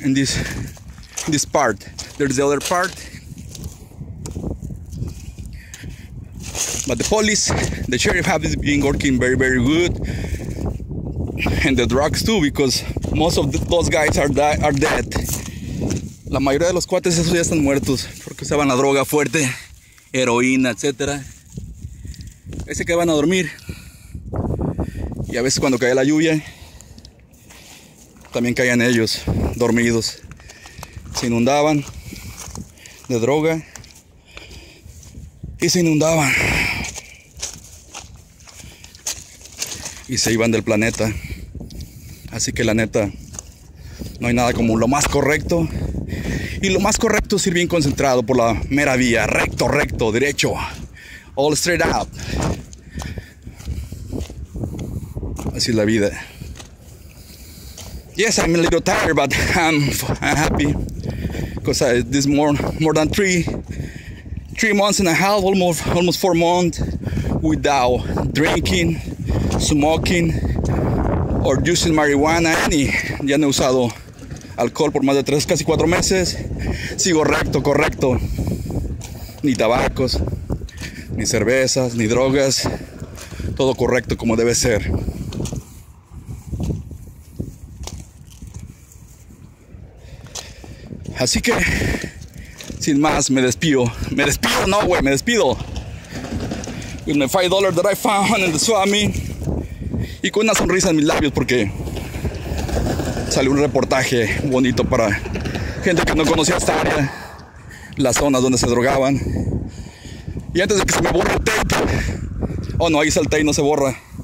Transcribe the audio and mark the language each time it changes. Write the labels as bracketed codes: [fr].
[en] There's the other part, but the police, the sheriff have been working very, very good, and the drugs too, because most of those guys are dead. [es] La mayoría de los cuates esos ya están muertos porque usaban la droga fuerte, heroína, etcétera. Ese que van a dormir. Y a veces cuando cae la lluvia, también caían ellos dormidos. Se inundaban de droga y se inundaban. Y se iban del planeta. Así que la neta, no hay nada como lo más correcto. Y lo más correcto es ir bien concentrado por la mera vía, recto, recto, derecho, [en] all straight up. [es] Así es la vida. [en] Yes, I'm a little tired, but I'm happy, because this more than three months and a half, almost 4 months without drinking, smoking, or using marijuana. [es] Any, ya no he usado alcohol por más de 3, casi 4 meses. Sigo recto, correcto. Ni tabacos, ni cervezas, ni drogas. Todo correcto como debe ser. Así que, sin más, me despido. Me despido, no, güey, me despido. [en] With my $5 that I found in the Swami. [es] Y con una sonrisa en mis labios, porque salió un reportaje bonito para gente que no conocía esta área, las zonas donde se drogaban. Y antes de que se me borre el tape, oh no, ahí está el tape, no se borra.